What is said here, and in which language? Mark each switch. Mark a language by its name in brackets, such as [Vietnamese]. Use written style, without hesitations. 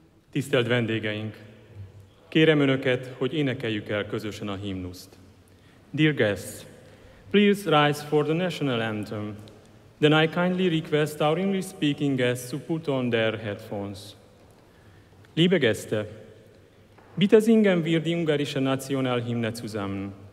[Hungarian] Tisztelt vendégeink! Kérem Önöket, hogy énekeljük el közösen a himnuszt. [English] Dear guests, please rise for the national anthem. Then I kindly request our English speaking guests to put on their headphones. [German] Liebe Gäste, bitte singen wir die ungarische Nationalhymne zusammen.